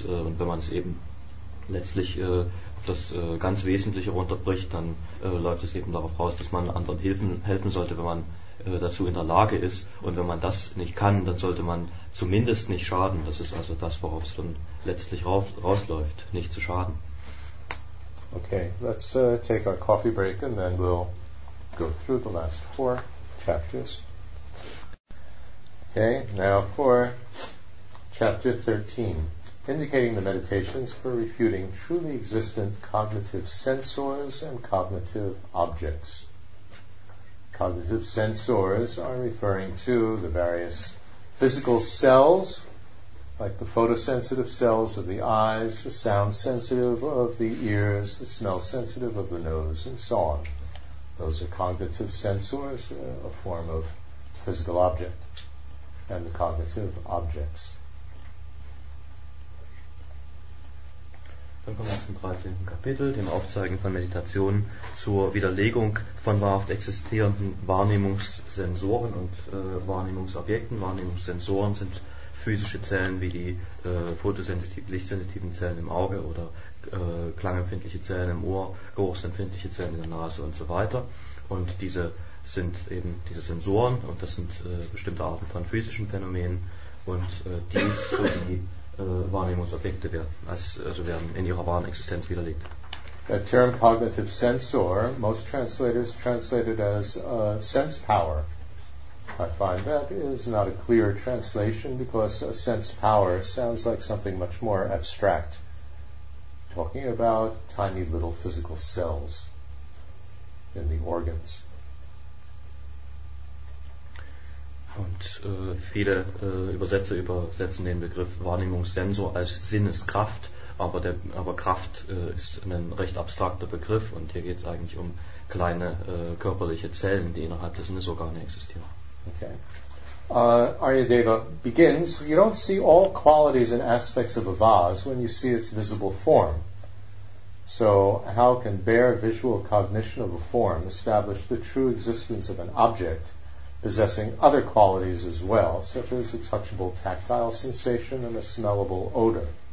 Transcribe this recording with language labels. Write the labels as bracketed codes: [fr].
[de] Und wenn man es eben letztlich auf das ganz Wesentliche runterbricht, dann läuft es eben darauf raus, dass man anderen helfen sollte, wenn man dazu in der Lage ist, und wenn man das nicht kann, dann sollte man zumindest nicht schaden. Das ist also das, worauf es dann letztlich rausläuft, nicht zu schaden. [en] Okay, let's take our coffee break and then we'll go through the last four chapters. Okay, now for chapter 13, indicating the meditations for refuting truly existent cognitive sensors and cognitive objects. Cognitive sensors are referring to the various physical cells, like the photosensitive cells of the eyes, the sound sensitive of the ears, the smell sensitive of the nose, and so on. Those are cognitive sensors, a form of physical object, and the cognitive objects. [de] Dann kommen wir zum 13. Kapitel, dem Aufzeigen von Meditationen zur Widerlegung von wahrhaft existierenden Wahrnehmungssensoren und Wahrnehmungsobjekten. Wahrnehmungssensoren sind physische Zellen wie die lichtsensitiven Zellen im Auge oder klangempfindliche Zellen im Ohr, geruchsempfindliche Zellen in der Nase und so weiter. Und diese sind eben diese Sensoren, und das sind bestimmte Arten von physischen Phänomenen, und die so die Wahrnehmungsobjekte werden in ihrer wahren Existenz widerlegt. [en] The term cognitive sensor, most translators translate it as sense power. I find that is not a clear translation, because a sense power sounds like something much more abstract, talking about tiny little physical cells in the organs. [de] Und viele Übersetzer übersetzen den Begriff Wahrnehmungssensor als Sinneskraft, aber Kraft ist ein recht abstrakter Begriff, und hier geht es eigentlich um kleine körperliche Zellen, die innerhalb der Sinnesorgane existieren. Okay. [en] Aryadeva begins, you don't see all qualities and aspects of a vase when you see its visible form. So how can bare visual cognition of a form establish the true existence of an object possessing other qualities as well, such as a touchable tactile sensation and a smellable odor?